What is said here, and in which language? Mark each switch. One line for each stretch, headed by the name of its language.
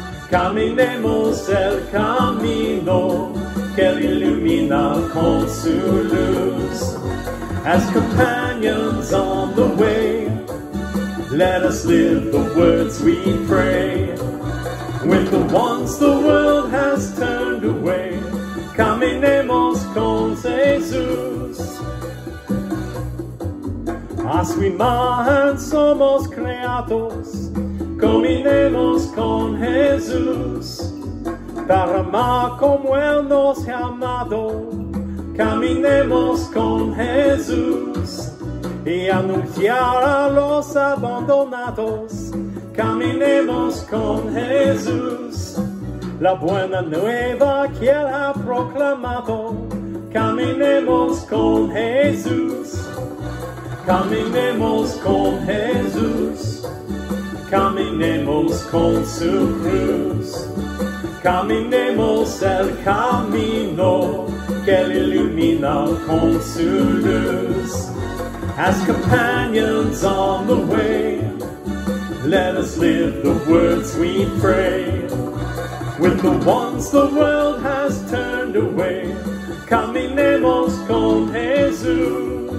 Spanish: Caminemos el camino que ilumina con su luz.
English: As companions on the way, let us live the words we pray. With the ones the world has turned away,
Spanish: caminemos con Jesús. A su imagen somos creados, caminemos con Jesús. Para amar como Él nos ha amado, caminemos con Jesús. Y anunciar a los abandonados, caminemos con Jesús. La buena nueva que Él ha proclamado, caminemos con Jesús. Caminemos con Jesús, caminemos con su cruz. Caminemos el camino que él ilumina con su luz.
English: As companions on the way, let us live the words we pray. With the ones the world has turned away,
Spanish: caminemos con Jesús.